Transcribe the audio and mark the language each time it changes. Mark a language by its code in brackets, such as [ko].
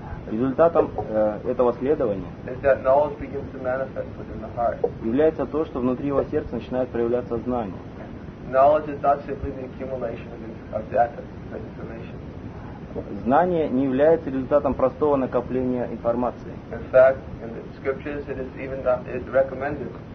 [ru] результатом этого следования [en] is that knowledge begins to manifest within the heart. [ru] Является то, что внутри его сердца начинает проявляться знание. [en] Knowledge is not simply the accumulation of data, but information. [ru] Знание не является результатом простого накопления информации. [en] In fact, in the scriptures it is even recommended.